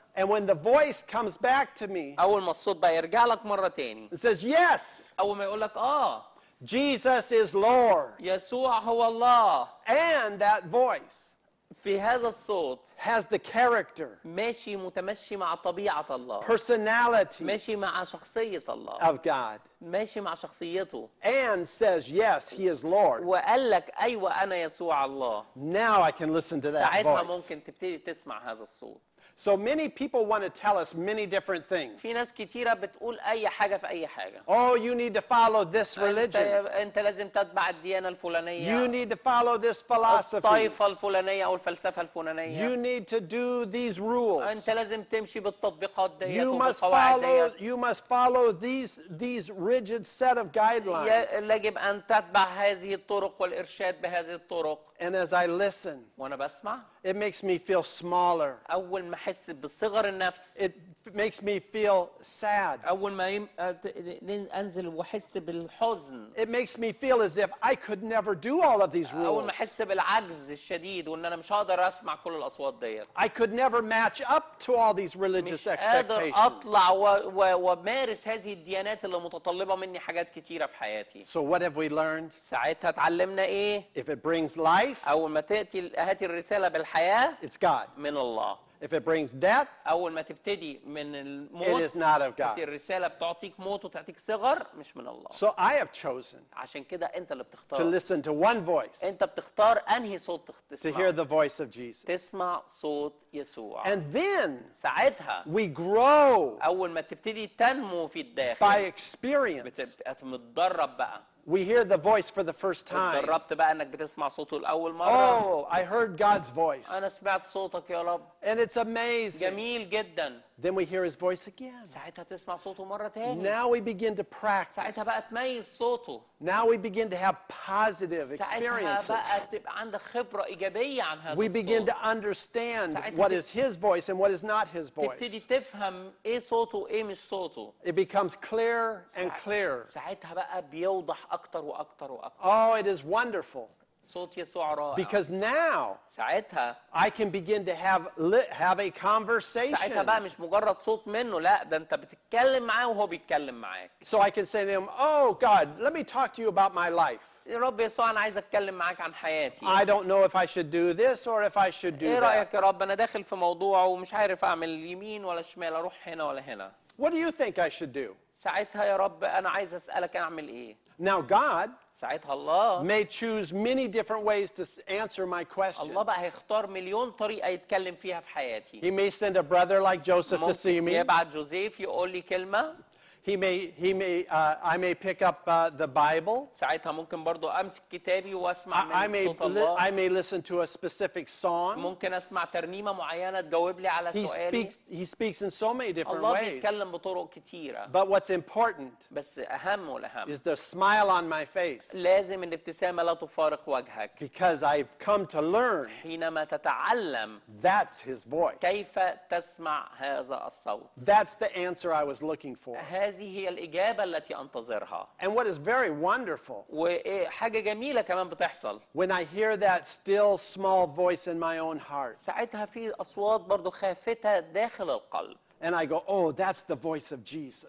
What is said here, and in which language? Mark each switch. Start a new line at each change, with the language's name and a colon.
English: And when the voice comes back to me,
Arabic: أول ما الصوت بقى يرجع لك مرة تاني,
English: says yes.
Arabic: أول ما يقول لك
English: Jesus is Lord.
Arabic: يسوع هو الله.
English: And that voice,
Arabic: في هذا الصوت,
English: has the character,
Arabic: ماشي متمشي مع طبيعة الله,
English: personality,
Arabic: ماشي مع شخصية الله,
English: of God.
Arabic: ماشي مع شخصيته.
English: And says yes, he is Lord.
Arabic: وقال لك أيوة أنا يسوع الله.
English: Now I can listen to that voice.
Arabic: ساعتها ممكن تبتدي تسمع هذا الصوت.
English: So many people want to tell us many different things.
Arabic: في ناس كتيرة بتقول أي حاجة في أي حاجة.
English: Oh, you need to follow this religion.
Arabic: أنت لازم تتبع الديانة الفلانية.
English: You need to follow this philosophy.
Arabic: الطائفة الفلانية أو الفلسفة الفلانية.
English: You need to do these rules.
Arabic: أنت لازم تمشي بالتطبيقات ديت.
English: You must follow these rigid set of guidelines.
Arabic: يجب أن تتبع هذه الطرق والإرشاد بهذه الطرق.
English: And as I listen,
Arabic: وأنا بسمع,
English: it makes me feel smaller.
Arabic: أول ما أحس بصغر النفس,
English: it makes me feel sad.
Arabic: أول ما أنزل وأحس بالحزن,
English: it makes me feel as if I could never do all of these rules.
Arabic: أول ما أحس بالعجز الشديد وإن أنا مش قادر أسمع كل الأصوات ديت,
English: I could never match up to all these religious expectations.
Arabic: مش قادر أطلع ومارس هذه الديانات اللي متطلبة مني حاجات كتيرة في حياتي.
English: So what have we learned?
Arabic: ساعتها اتعلمنا إيه?
English: If it brings life,
Arabic: أول ما تأتي هذه الرسالة بالحياة,
English: it's God.
Arabic: من الله.
English: If it brings death,
Arabic: أول ما تبتدي من الموت,
English: it is not of God.
Arabic: الرسالة بتعطيك موت وتعطيك صغر, مش من الله.
English: So I have chosen.
Arabic: عشان كده أنت اللي بتختار.
English: To listen to one voice.
Arabic: أنت بتختار أنهي صوت تسمع.
English: To hear the voice of Jesus.
Arabic: تسمع صوت يسوع.
English: And then,
Arabic: ساعتها,
English: we grow.
Arabic: أول ما تبتدي تنمو في الداخل.
English: By experience.
Arabic: بتتدرب بقى.
English: We hear the voice for the first time.
Arabic: اتدربت بقى انك بتسمع صوته لاول مره.
English: Oh, I heard God's voice.
Arabic: انا سمعت صوتك يا رب.
English: And it's amazing.
Arabic: جميل جدا.
English: Then we hear his voice again.
Arabic: ساعتها تسمع صوته مره ثانيه.
English: Now we begin to practice.
Arabic: ساعتها بقى تميز صوته.
English: Now we begin to have positive experiences.
Arabic: ساعتها بقى تبقى عندك خبره ايجابيه عن هذا الصوت.
English: We begin to understand what is his voice and what is not his voice.
Arabic: تبتدي تفهم ايه صوته وايه مش صوته.
English: It becomes clearer and clearer.
Arabic: ساعتها بقى بيوضح اكتر واكتر واكتر.
English: Oh, it is wonderful.
Arabic: صوت يسوع رائع.
English: Because now
Arabic: ساعتها
English: I can begin to have a conversation.
Arabic: ساعتها بقى مش مجرد صوت منه لا ده انت بتتكلم معاه وهو بيتكلم معاك.
English: So I can say to him, "Oh God, let me talk to you about my life."
Arabic: يا رب يسوع انا عايز اتكلم معاك عن حياتي.
English: I don't know if I should do this or if I should do that.
Arabic: ايه رايك يا رب انا داخل في موضوع ومش عارف اعمل يمين ولا شمال اروح هنا ولا هنا.
English: What do you think I should do?
Arabic: ساعتها يا رب انا عايز اسالك اعمل ايه.
English: Now God
Arabic: ساعتها الله
English: may choose many different ways to answer my question.
Arabic: الله بقى هيختار مليون طريقه يتكلم فيها في حياتي.
English: He may send a brother like Joseph to see me.
Arabic: يبعت جوزيف يقول لي كلمه.
English: I may pick up the Bible.
Arabic: ساعتها ممكن برضو امسك كتابي واسمع من صوت
English: الله. I may listen to a specific song.
Arabic: ممكن اسمع ترنيمه معينه تجاوب لي على سؤالي.
English: He speaks in so many different
Arabic: الله
English: ways.
Arabic: الله بيتكلم بطرق كتيره.
English: But what's important
Arabic: بس اهم والاهم
English: is the smile on my face.
Arabic: لازم الابتسامه لا تفارق وجهك.
English: Because I've come to learn
Arabic: حينما تتعلم
English: that's his voice.
Arabic: كيف تسمع هذا الصوت.
English: That's the answer I was looking for.
Arabic: هذه هي الإجابة التي أنتظرها.
English: And what is very wonderful.
Arabic: وحاجة جميلة كمان بتحصل.
English: When I hear that still small voice in my own heart.
Arabic: ساعتها في أصوات برضو خافتة داخل القلب.
English: And I go, oh, that's the voice of Jesus.